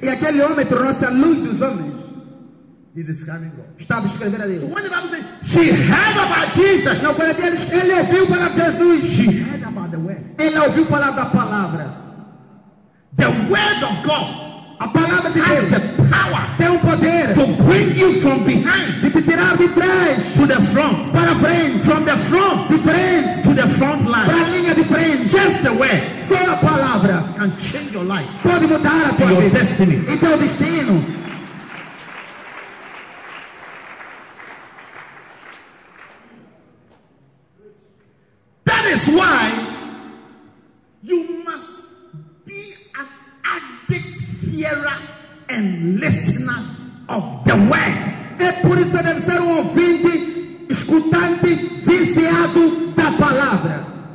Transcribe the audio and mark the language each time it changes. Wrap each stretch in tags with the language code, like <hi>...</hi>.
<pt>E aquele homem tornou-se a luz dos homens.</pt> <en>He describing God.</en> <pt>Estava descrevendo a Deus.</pt> <en>So when the Bible says, she heard about Jesus.</en> <pt>Não, quando a Bíblia diz, ele ouviu falar de Jesus.</pt> <en>She heard about the word.</en> <pt>Ele ouviu falar da palavra.</pt> <en>The word of God.</en> <pt>A palavra de</pt> <en>has The power.</en> <pt>Tem um poder.</pt> <en>To bring you from behind.</en> <pt>De te tirar de trás.</pt> <en>To the front.</en> <pt>Para frente.</pt> <en>From the front.</en> <pt>De frente.</pt> <en>To the front line.</en> <pt>Para a linha de frente.</pt> <en>Just the word.</en> <pt>Só a palavra.</pt> <en>Can change your life.</en> <pt>Pode mudar a tua</pt> <en>your</en> <pt>vida.</pt> <en>Destiny.</en> <pt>E teu destino.</pt> <en>That is why you must be an addict hearer and listener of the word.</en> <pt>É por isso que deve ser ouvinte, escutante, viciado da palavra.</pt>